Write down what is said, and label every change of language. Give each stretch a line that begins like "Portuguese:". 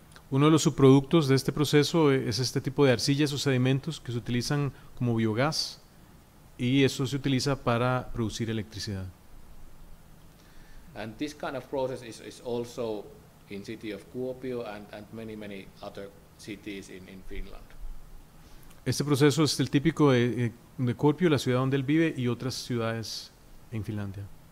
Spanish: Uno de los subproductos de este proceso es este tipo de arcillas o sedimentos que se utilizan como biogás y eso se utiliza para producir electricidad.
English: And this kind of process is also in city of Kuopio and many many other cities in Finland.
Spanish: Este proceso es el típico de Kuopio, la ciudad donde él vive, y otras ciudades en Finlandia.